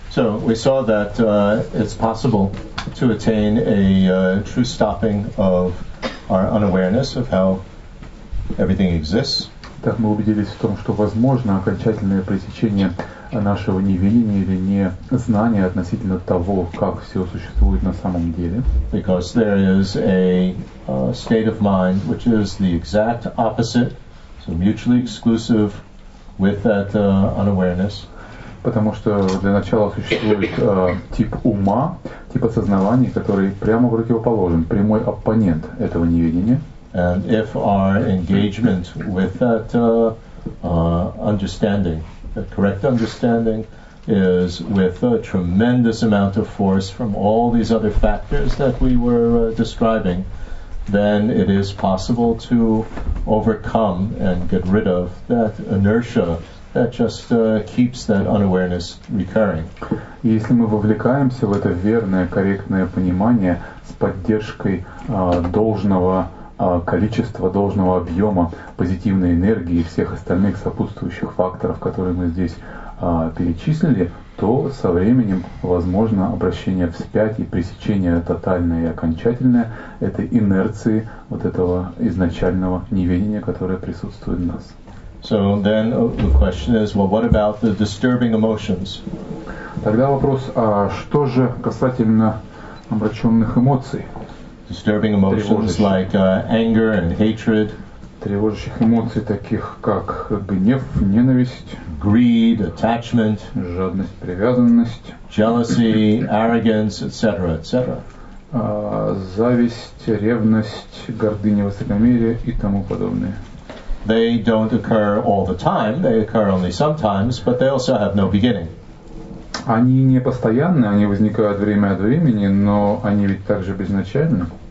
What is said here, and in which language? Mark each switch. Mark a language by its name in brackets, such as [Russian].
[English] So we saw that it's possible to attain a true stopping of our unawareness of how everything exists. [Russian] Так мы убедились в том, что возможно окончательное пресечение нашего неведения или незнания относительно того, как все существует на самом деле. [English] Because there is a state of mind which is the exact opposite, so mutually exclusive with that unawareness. [Russian] Потому что для начала существует тип ума, тип осознавания, который прямо противоположен, прямой оппонент этого неведения. [English] And if our engagement with that understanding, that correct understanding, is with a tremendous amount of force from all these other factors that we were describing, then it is possible to overcome and get rid of that inertia that just keeps that unawareness recurring. [Russian] Если мы вовлекаемся в это верное, корректное понимание с поддержкой должного количество должного объема позитивной энергии и всех остальных сопутствующих факторов, которые мы здесь перечислили, то со временем возможно обращение вспять и пресечение тотальное и окончательное этой инерции вот этого изначального неведения, которое присутствует в нас. [English] So then the question is, well, what about the disturbing emotions? [Russian] Тогда вопрос, а что же касательно омраченных эмоций? [English] Disturbing emotions like anger and hatred, [Russian] тревожащих эмоций таких как гнев, ненависть, [English] greed, attachment, [Russian] жадность, привязанность, [English] jealousy, arrogance, etc., etc. [Russian] Зависть, ревность, гордыня, высокомерие и тому подобное. [English] They don't occur all the time. They occur only sometimes, but they also have no beginning. [Russian] Они не постоянны, они возникают время от времени, но они ведь также безначальны.